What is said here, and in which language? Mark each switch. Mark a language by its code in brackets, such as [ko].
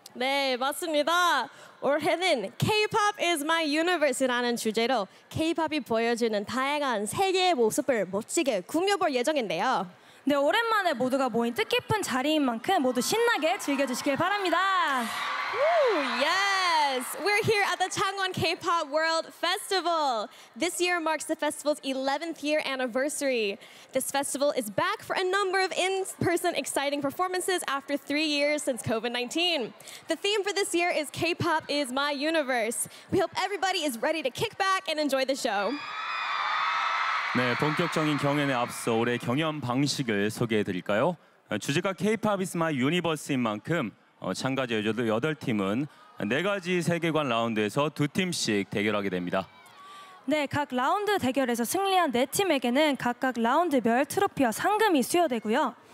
[ko] 네, 맞습니다. 올해는 K-POP is my universe라는 주제로 K-POP이 보여주는 다양한 세계의 모습을 멋지게 꾸며볼 예정인데요. 네, 오랜만에 모두가 모인 뜻깊은 자리인 만큼 모두 신나게 즐겨주시길 바랍니다. [en] Woo, yes! We're here at the Changwon K-POP World Festival. This year marks the festival's 11th year anniversary. This festival is back for a number of in-person exciting performances after 3 years since COVID-19. The theme for this year is K-POP is my universe. We hope everybody is ready to kick back and enjoy the show. [ko] 네, 본격적인 경연에 앞서 올해 경연 방식을 소개해드릴까요? 주제가 K-POP is my universe인 만큼 참가자 여자들 8팀은 4가지 세계관 라운드에서 2팀씩 대결하게 됩니다. 네, 각 라운드 대결에서 승리한 4팀에게는 각각 라운드별 트로피와 상금이 수여되고요.